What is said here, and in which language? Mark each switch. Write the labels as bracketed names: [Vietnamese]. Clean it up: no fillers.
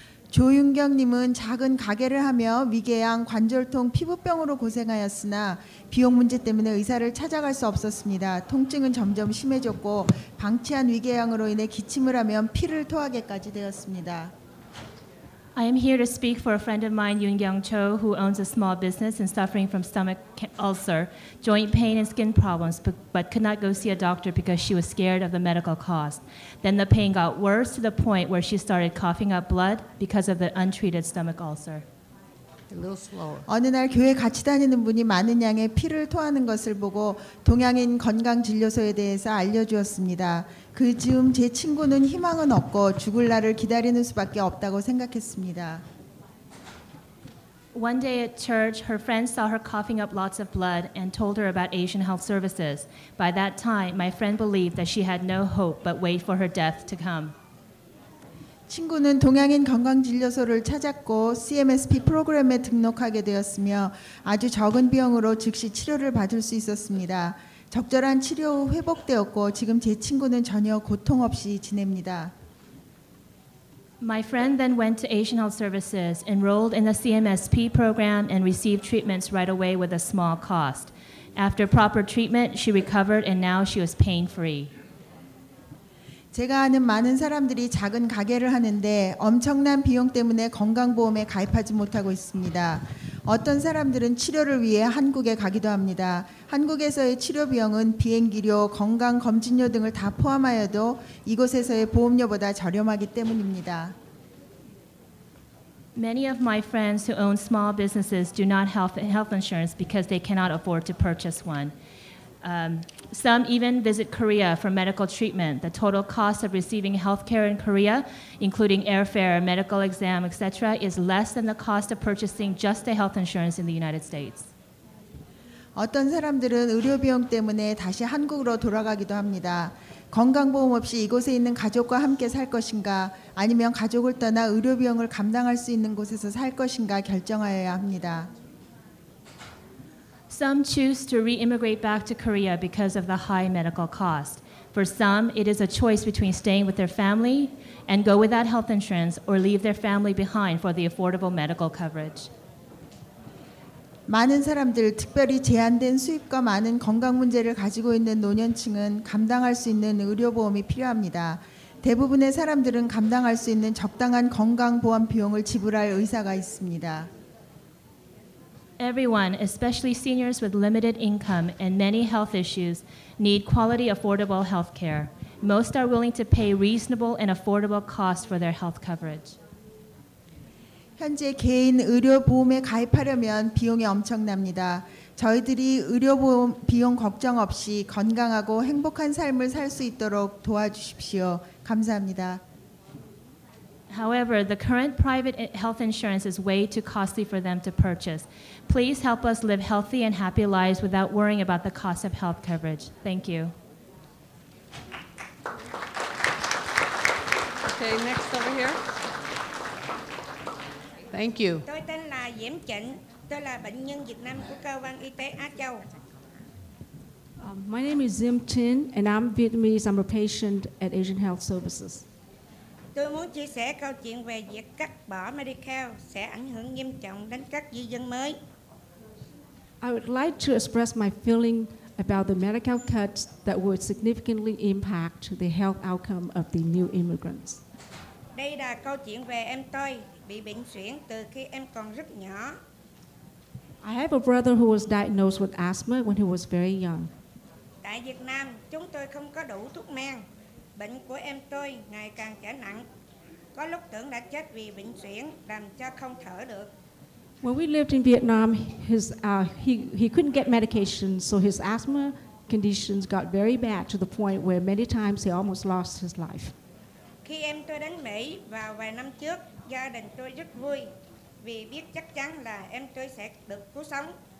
[Korean] 조윤경님은 작은 가게를 하며 위궤양, 관절통, 피부병으로 고생하였으나 비용 문제 때문에 의사를 찾아갈 수 없었습니다. 통증은 점점 심해졌고 방치한 위궤양으로 인해 기침을 하면 피를 토하게까지 되었습니다. [English] I am here to speak for a friend of mine, Yoongyeong Cho, who owns a small business and suffering from stomach ulcer, joint pain and skin problems, but could not go see a doctor because she was scared of the medical cost. Then the pain got worse to the point where she started coughing up blood because of the untreated stomach ulcer. A little slower. [Korean] 어느 날 교회 같이 다니는 분이 많은 양의 피를 토하는 것을 보고 동양인 건강진료소에 대해서 알려주었습니다. 그 즈음 제 친구는 희망은 없고 죽을 날을 기다리는 수밖에 없다고 생각했습니다. [English] One day at church, her friend saw her coughing up lots of blood and told her about Asian Health Services. By that time, my friend believed that she had no hope but wait for her death to come. [Korean] 친구는 동양인 건강진료소를 찾았고 CMSP 프로그램에 등록하게 되었으며 아주 적은 비용으로 즉시 치료를 받을 수 있었습니다. 적절한 치료 후 회복되었고 지금 제 친구는 전혀 고통 없이 지냅니다. [English] My friend then went to Asian Health Services, enrolled in the CMSP program, and received treatments right away with a small cost. After proper treatment, she recovered and now she was pain-free. [Korean] 제가 아는 많은 사람들이 작은 가게를 하는데 엄청난 비용 때문에 건강보험에 가입하지 못하고 있습니다. 어떤 사람들은 치료를 위해 한국에 가기도 합니다. 한국에서의 치료 비용은 비행기료, 건강검진료 등을 다 포함하여도 이곳에서의 보험료보다 저렴하기 때문입니다. [English] Many of my friends who own small businesses do not have health insurance because they cannot afford to purchase one. Some even visit Korea for medical treatment. The total cost of receiving health care in Korea, including airfare, medical exam, etc., is less than the cost of purchasing just the health insurance in the United States. [Korean] 어떤 사람들은 의료 비용 때문에 다시 한국으로 돌아가기도 합니다. 건강보험 없이 이곳에 있는 가족과 함께 살 것인가, 아니면 가족을 떠나 의료 비용을 감당할 수 있는 곳에서 살 것인가 결정하여야 합니다. [English] Some choose to re-immigrate back to Korea because of the high medical cost. For some, it is a choice between staying with their family and go without health insurance or leave their family behind for the affordable medical coverage. [Korean] 많은 사람들, 특별히 제한된 수입과 많은 건강 문제를 가지고 있는 노년층은 감당할 수 있는 의료보험이 필요합니다. 대부분의 사람들은 감당할 수 있는 적당한 건강보험 비용을 지불할 의사가 있습니다. [English] Everyone, especially seniors with limited income and many health issues, need quality, affordable health care. Most are willing to pay reasonable and affordable costs for their health coverage. [Korean] 현재 개인 의료보험에 가입하려면 비용이 엄청납니다. 저희들이 의료보험 비용 걱정 없이 건강하고 행복한 삶을 살 수 있도록 도와주십시오. 감사합니다. [English] However, the current private health insurance is way too costly for them to purchase. Please help us live healthy and happy lives without worrying about the cost of health coverage. Thank you. Okay, next over here. Thank you. [Vietnamese] Tôi tên là Diễm Trịnh. Tôi là bệnh nhân Việt Nam của cơ quan y tế Á Châu. [English] My name is Diễm Trịnh and I'm Vietnamese. I'm a patient at Asian Health Services. [Vietnamese] Tôi muốn chia sẻ câu chuyện về việc cắt bỏ Medicare sẽ ảnh hưởng nghiêm trọng đến các di dân mới. [English] I would like to express my feeling about the medical cuts that would significantly impact the health outcome of the new immigrants. [Vietnamese] Đây là câu chuyện về em tôi bị bệnh suyễn từ khi em còn rất nhỏ. [English] I have a brother who was diagnosed with asthma when he was very young. [Vietnamese] Tại Việt Nam, chúng tôi không có đủ thuốc men. Bệnh của em tôi ngày càng trở nặng. Có lúc tưởng đã chết vì bệnh suyễn, làm cho không thở được. [English] When we lived in Vietnam, he couldn't get medication, so his asthma conditions got very bad to the point where many times he almost lost his life. [Vietnamese] Khi em tôi đến Mỹ vào vài năm trước, gia đình tôi rất vui vì biết chắc chắn là em tôi sẽ được cứu sống.